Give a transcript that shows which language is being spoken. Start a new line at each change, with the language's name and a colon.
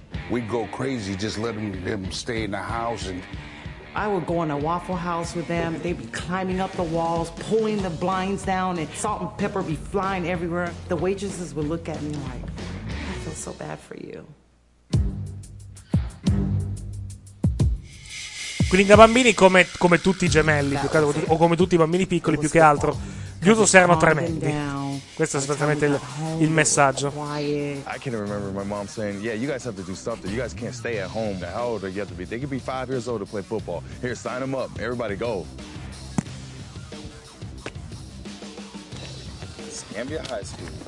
English: We'd go crazy just letting them stay in the house and I would go in a Waffle House with them. They'd be climbing up the walls, pulling the blinds down, and salt and pepper be flying everywhere. The waitresses would look at me like, I feel so bad for you.
Italian: Quindi da bambini come tutti i gemelli, più caso, o come tutti i bambini piccoli, più che altro, gli Usos erano tremendi. Questo è esattamente il messaggio.
English: I can remember my mom saying, yeah, you guys have to do stuff that you guys can't stay at home. How old are you have to be? They could be 5 years old to play football. Here, sign them up. Everybody go. Cambia High School.